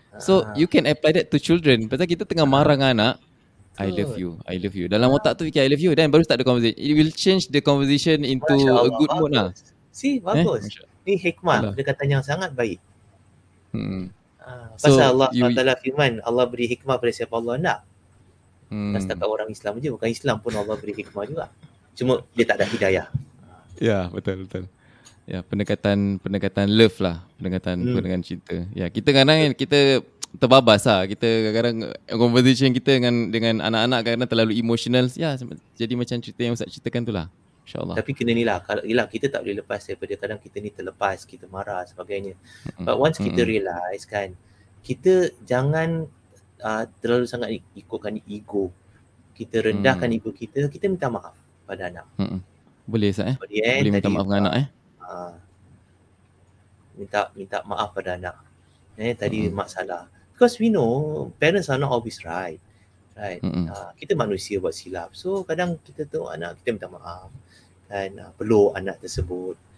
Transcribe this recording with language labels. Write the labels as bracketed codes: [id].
[en] So, you can apply that to children. [ms] Pasal kita tengah marah dengan anak, betul. [en] I love you. [ms] Dalam otak tu fikir [en] I love you, then [ms] baru [en] start the conversation. It will change the conversation into a good mood lah. See, [ms] bagus. Ni hikmah. Dia katanya sangat baik. Pasal so, Allah SWT firman, Allah beri hikmah pada siapa Allah nak. Tak setakat orang Islam je, bukan Islam pun Allah beri hikmah juga. Cuma dia tak ada hidayah. Ya, betul-betul. Ya, pendekatan love lah. Pendekatan penuh dengan cinta. Ya, kita kadang-kadang kita terbabas lah. Kita kadang-kadang conversation kita dengan anak-anak kadang-kadang terlalu emotional. Ya, jadi macam cerita yang Ustaz ceritakan tu lah. InsyaAllah. Tapi kena ni lah. Yelah, kita tak boleh lepas daripada kadang kita ni terlepas, kita marah sebagainya. [en] But once [ms] kita realize kan, kita jangan terlalu sangat ikutkan ego. Kita rendahkan ego kita, kita minta maaf pada anak. Boleh Ustaz Boleh minta maaf dengan anak Minta maaf pada anak. Tadi mak salah. [en] Because we know parents are not always right. [ms] Kita manusia buat silap. [en] So [ms] kadang kita tengok anak, kita minta maaf. Kan peluk anak tersebut.